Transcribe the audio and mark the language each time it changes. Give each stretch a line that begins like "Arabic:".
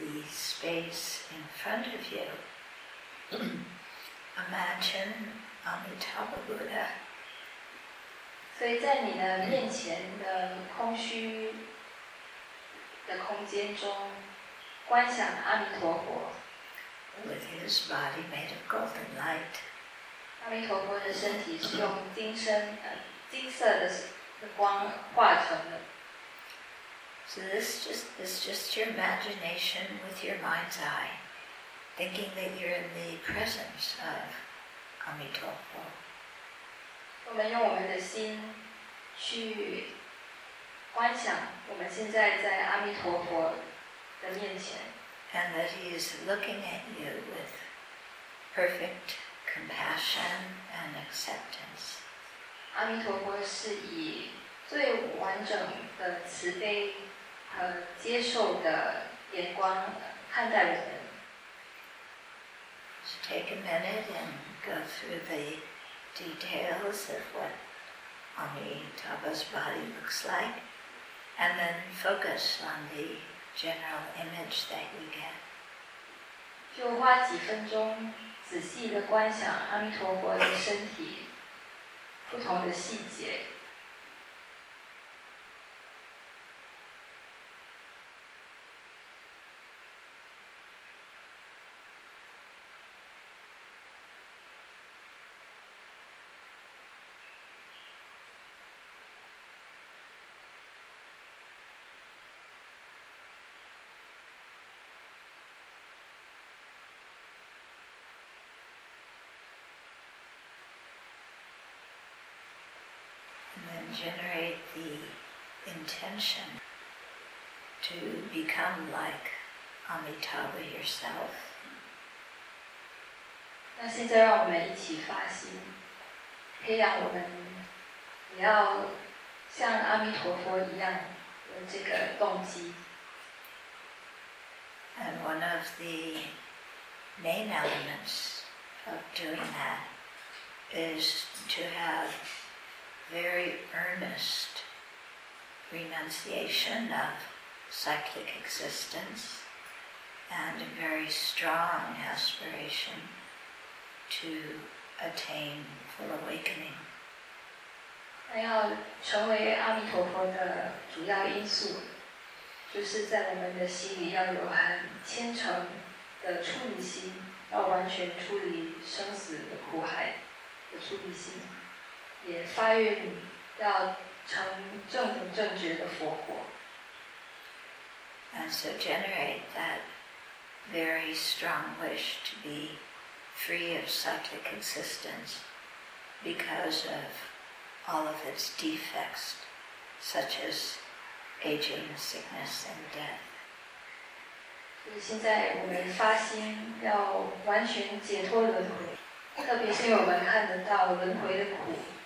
English: space in front of you, imagine Amitabha Buddha.
Chinese: 所以在你的面前的空虚的空间中，观想阿弥陀佛。
English: With his body made of golden light.
Chinese: 阿弥陀佛的身体是用金身金色的光化成的。
English: So this is just your imagination with your mind's eye, thinking that you're in the presence of Amitabha.
Chinese: 我们用我们的心去观想，我们现在在阿弥陀佛的面前。
English: And that he is looking at you with perfect compassion and acceptance.
Chinese: 阿弥陀佛是以最完整的慈悲和接受的眼光看待我们。
English: So take a minute and go through the details of what Amitabha's body looks like, and then focus on the general image that you get.
Chinese: 就花几分钟仔细地观想阿弥陀佛的身体不同的细节。
English: Generate the intention to become like Amitabha yourself.
Chinese: 那现在让我们一起发心，培养我们也要像阿弥陀佛一样的这个动机。
English: And one of the main elements of doing that is to have very earnest renunciation of cyclic existence and a very strong aspiration to attain full awakening.
Chinese: 那要成为阿弥陀佛的主要因素，就是在我们的心里要有很虔诚的出离心，要完全出离生死的苦海的出离心。也发愿要成正等正觉的佛果。
English: And so generate that very strong wish to be free of cyclic existence because of all of its defects, such as aging, sickness, and death.
Chinese: 所以现在我们发心要完全解脱轮回，特别是我们看得到轮回的苦。